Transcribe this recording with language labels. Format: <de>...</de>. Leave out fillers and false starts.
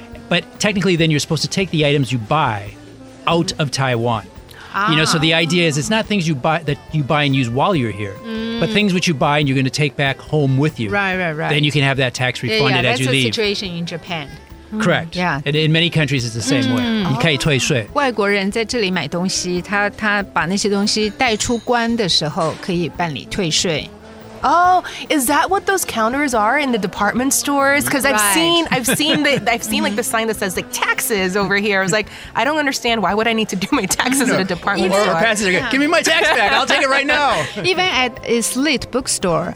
<en>But technically then you're supposed to take the items you buy out of Taiwan. You know, so the idea is it's not things you buy that you buy and use while you're here, but things which you buy and you're going to take back home with you. Right. Then you can have that tax refunded as you leave. That's the situation in Japan. Correct. Yeah. And in many countries, it's the same way.</en> <zh>你可以退税。外国人在这里买东西，他把那些东西带出关的时候可以办理退税。</zh> <en>Oh, is that what those counters are in the department stores? Because I've seen like the sign that says like taxes over here. I was like, I don't understand. Why would I need to do my taxes at a department store? Give me my tax back. I'll take it right now. Even at Slit bookstore,</en>